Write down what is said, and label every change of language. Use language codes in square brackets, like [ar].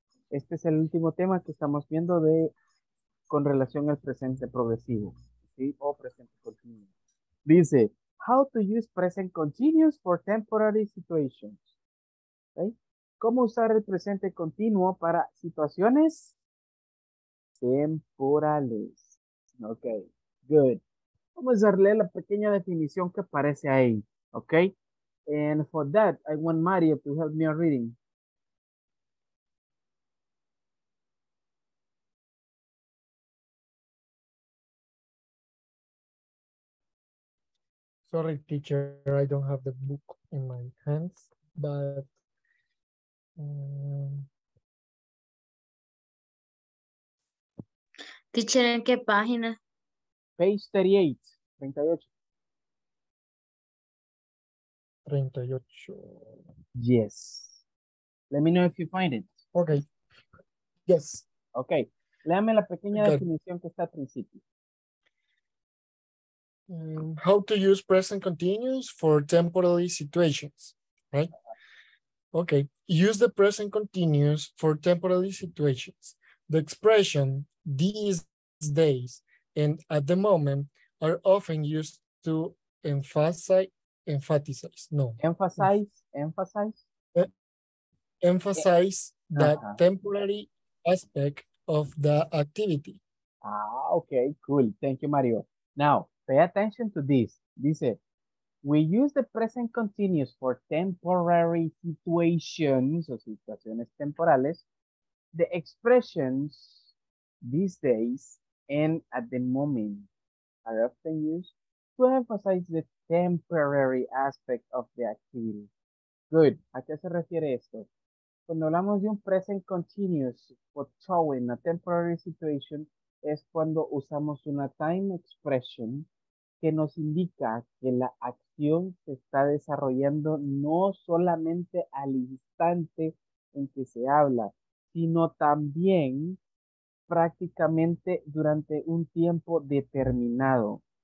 [es] Este es el último tema que estamos viendo de con relación al presente progresivo. ¿Sí? O presente continuo. [en] Dice, how to use present continuous for temporary situations. [es] ¿Sí? ¿Cómo usar el presente continuo para situaciones temporales? [en] Ok, good. [es] Vamos a darle la pequeña definición que aparece ahí. [en] Ok. And for that, I want Mario to help me on reading. Sorry, teacher, I don't have the book in my hands, but. [es] Teacher, ¿en qué página? [en] Page 38. [es] Treinta y ocho. [en] Yes. Let me know if you find it. Okay. Yes. Okay. [es] Léame la pequeña definición que está al principio. [en] How to use present continuous for temporary situations, right? Okay. Use the present continuous for temporary situations. The expression these days and at the moment are often used to emphasize that temporary aspect of the activity. Ah, okay, cool. Thank you, Mario. Now, pay attention to this. Dice, we use the present continuous for temporary situations [es] o situaciones temporales. [en] The expressions these days and at the moment are often used to emphasize the temporary aspect of the activity. Good. [es] ¿A qué se refiere esto? Cuando hablamos de un [en] present continuous for showing a temporary situation, [es] es cuando usamos una time expression que nos indica que la acción se está desarrollando no solamente al instante en que se habla, sino también prácticamente durante un tiempo determinado.